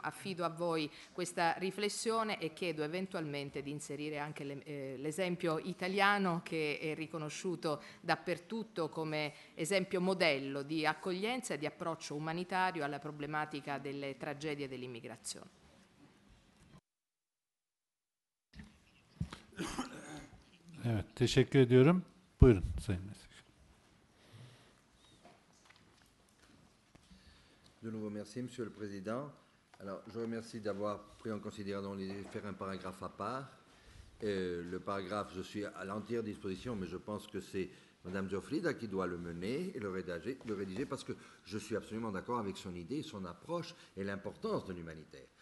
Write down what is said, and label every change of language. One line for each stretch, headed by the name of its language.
Italian: Affido a voi questa riflessione e chiedo eventualmente di inserire anche l'esempio italiano che è riconosciuto dappertutto come esempio modello di accoglienza e di approccio umanitario alla problematica delle tragedie dell'immigrazione.
Turkish: Evet, teşekkür ediyorum. Buyurun Sayın Meslektaş.
French: De nouveau merci monsieur le président. Alors, je remercie d'avoir pris en considération l'idée de faire un paragraphe à part. Le paragraphe, je suis à l'entière disposition, mais je pense que c'est Madame Geoffrida qui doit le mener et le rédiger parce que je suis absolument d'accord avec son idée, son approche et l'importance de l'humanitaire.